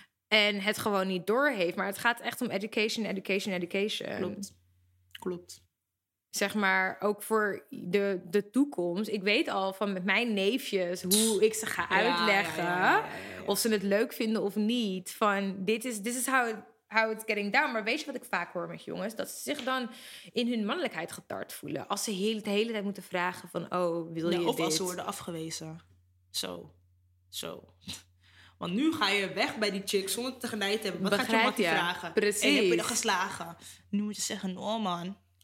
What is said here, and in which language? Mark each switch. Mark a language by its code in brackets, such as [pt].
[nl] En het gewoon niet door heeft. Maar het gaat echt om education. Klopt. Zeg maar, ook voor de toekomst. Ik weet al van met mijn neefjes hoe ik ze ga uitleggen. Ja. Of ze het leuk vinden of niet. Van, [en] this is how it's getting down. [nl] Maar weet je wat ik vaak hoor met jongens? Dat ze zich dan in hun mannelijkheid getart voelen. Als ze de hele tijd moeten vragen van, oh, wil je of dit? Of als ze worden afgewezen. Zo. Want nu ga je weg bij die chick zonder te genijden te hebben. Wat begrijp, gaat je mattie vragen? Precies. En heb je er geslagen? Nu moet je zeggen, oh man.